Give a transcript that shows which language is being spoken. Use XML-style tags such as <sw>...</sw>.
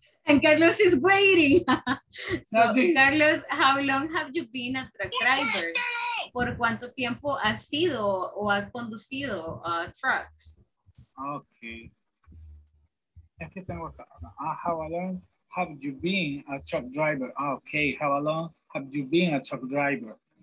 <en>And Carlos is waiting. So, no, sí. Carlos, how long have you been a truck driver?</en> <es>¿por cuánto tiempo ha sido o ha conducido trucks? Ok. Es que tengo acá.</es> <en>How long have you been a truck driver? Ok. How long have you been a truck driver?</en>